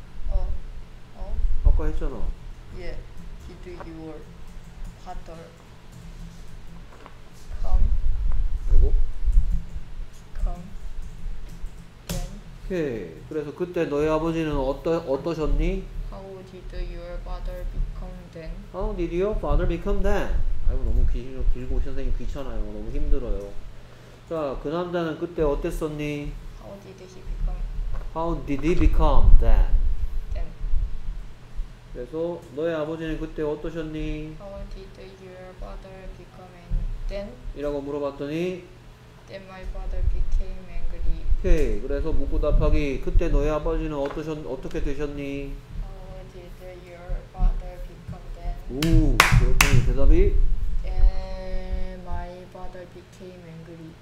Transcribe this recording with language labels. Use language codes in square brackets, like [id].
[ko] 어. 어? 아까 했잖아. [en] 예. Did your father come? [ko] 그리고? [en] Then. [ko] 오케이. 그래서 그때 너의 아버지는 어떠셨니? [en] How did your father become then? How did your father become then? [ko] 아이고 너무 길고 선생님 귀찮아요. 너무 힘들어요. 자, 그 남자는 그때 어땠었니? [en] How did he become? How did he become then? Then. [ko] 그래서 너의 아버지는 그때 어떠셨니? [en] How did your father become then? [ko] 이라고 물어봤더니 [en] Then my father became angry. [ko] 오케이. 그래서 묻고 답하기. 그때 너의 아버지는 어떻게 되셨니? [en] How did your father become then? [ko] 오, 그렇군요. 대답이? [en] Then my father became angry.